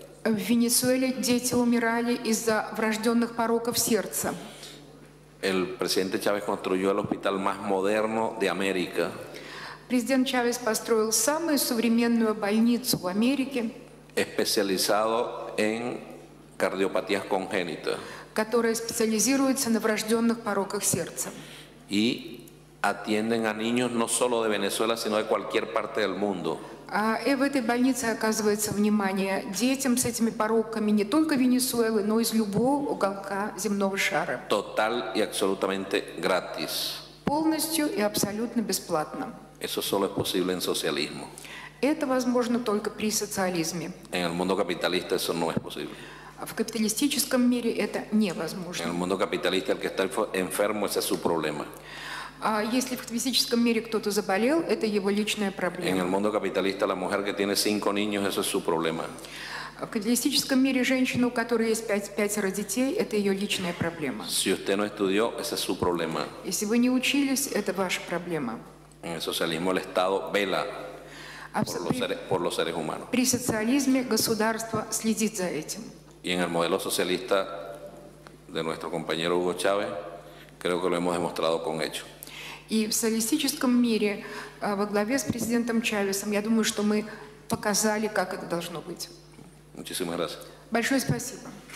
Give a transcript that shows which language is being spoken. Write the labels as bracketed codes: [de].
[ru] В Венесуэле дети умирали из-за врожденных пороков сердца. [es] El presidente Chávez construyó el hospital más moderno de América. [ru] Президент Чавес построил самую современную больницу в Америке. [es] Especializado en cardiopatías congénitas. [ru] Которая специализируется на врожденных пороках сердца. [es] И atienden a niños no solo de Venezuela, sino de cualquier parte del mundo. [ru] И в этой больнице оказывается внимание детям с этими пороками не только Венесуэлы, но и из любого уголка земного шара. [es] Total y absolutamente gratis. [ru] Полностью и абсолютно бесплатно. [es] Eso solo es posible en socialismo. [ru] Это возможно только при социализме. [es] En el mundo capitalista eso no es posible. [ru] В капиталистическом мире это невозможно. [es] En el mundo capitalista el que está enfermo, ese es su problema. [ru] А если в капиталистическом мире кто-то заболел, это его личная проблема. [es] En el mundo capitalista la mujer que tiene cinco niños, eso es su problema. [ru] В капиталистическом мире женщина, у которой есть пятеро детей, это ее личная проблема. [es] Si usted no estudió, esa es su problema. [ru] Если вы не учились, это ваша проблема. [es] En el socialismo el Estado vela por los seres humanos. [ru] При социализме государство следит за этим. [es] Y en el modelo socialista de nuestro compañero Hugo Chávez, creo que lo hemos demostrado con hechos. [ru] И в социалистическом мире, во главе с президентом Чавесом, я думаю, что мы показали, как это должно быть. [es] Muchísimas gracias. [ru] Большое спасибо.